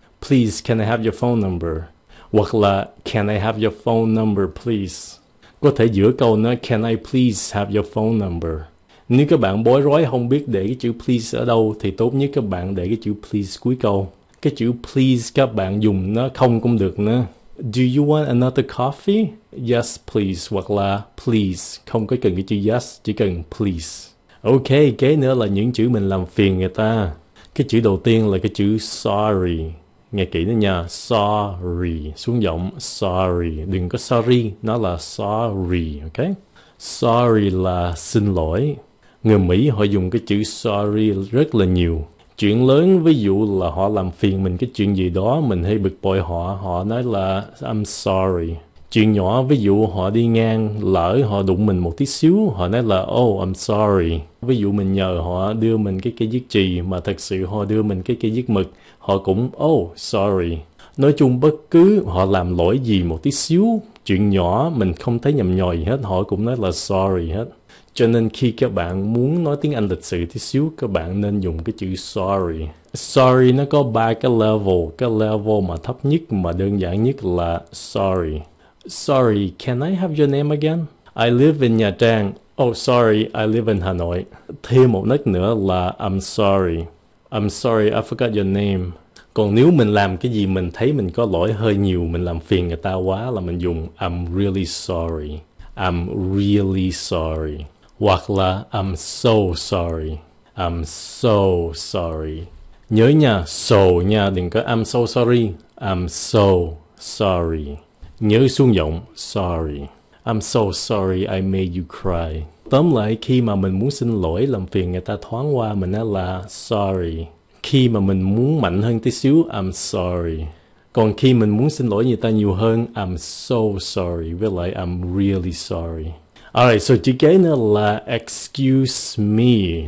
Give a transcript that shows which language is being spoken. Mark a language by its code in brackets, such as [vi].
[en] Please can I have your phone number? [vi] Hoặc là [en] can I have your phone number please? [vi] Có thể giữa câu nó [en] can I please have your phone number? [vi] Nếu các bạn bối rối không biết để cái chữ please ở đâu thì tốt nhất các bạn để cái chữ please cuối câu. Cái chữ please các bạn dùng nó không cũng được nữa. [en] Do you want another coffee? Yes, please. [vi] Hoặc là [en] please. [vi] Không có cần cái chữ yes, chỉ cần please. Ok, kế nữa là những chữ mình làm phiền người ta. Cái chữ đầu tiên là cái chữ sorry. Nghe kỹ nữa nha. Sorry. Xuống giọng sorry. Đừng có sorry. Nó là sorry. Ok? Sorry là xin lỗi. Người Mỹ họ dùng cái chữ sorry rất là nhiều. Chuyện lớn ví dụ là họ làm phiền mình cái chuyện gì đó mình hay bực bội họ, họ nói là [en] I'm sorry. [vi] Chuyện nhỏ ví dụ họ đi ngang lỡ họ đụng mình một tí xíu họ nói là [en] oh I'm sorry. [vi] Ví dụ mình nhờ họ đưa mình cái viết chì mà thật sự họ đưa mình cái viết mực họ cũng [en] oh sorry. [vi] Nói chung bất cứ họ làm lỗi gì một tí xíu chuyện nhỏ mình không thấy nhầm nhòi gì hết họ cũng nói là sorry hết. Cho nên khi các bạn muốn nói tiếng Anh lịch sự tí xíu, các bạn nên dùng cái chữ sorry. Sorry nó có ba cái level. Cái level mà thấp nhất mà đơn giản nhất là sorry. [en] Sorry, can I have your name again? I live in Nha Trang. Oh, sorry, I live in Hà Nội. [vi] Thêm một nấc nữa là [en] I'm sorry, I forgot your name. [vi] Còn nếu mình làm cái gì mình thấy mình có lỗi hơi nhiều, mình làm phiền người ta quá là mình dùng [en] I'm really sorry. I'm really sorry. [vi] Hoặc là [en] I'm so sorry. I'm so sorry. [vi] Nhớ nha, so nha, đừng có [en] I'm so sorry. I'm so sorry. [vi] Nhớ xuống giọng, [en] sorry. I'm so sorry I made you cry. [vi] Tóm lại, khi mà mình muốn xin lỗi, làm phiền người ta thoáng qua, mình nói là sorry. Khi mà mình muốn mạnh hơn tí xíu, [en] I'm sorry. [vi] Còn khi mình muốn xin lỗi người ta nhiều hơn, [en] I'm so sorry. [vi] Với lại, [en] I'm really sorry. Alright, so [vi] chữ kế nữa là [en] excuse me.